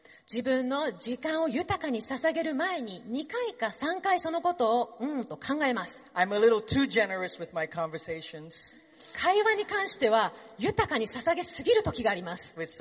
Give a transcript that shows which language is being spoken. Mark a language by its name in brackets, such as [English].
[Japanese] 自分の時間を豊かに捧げる前に2回か3回そのことをうんと考えます。 [English] I'm a little too generous with my conversations. [Japanese] 会話に関しては豊かに捧げすぎる時があります。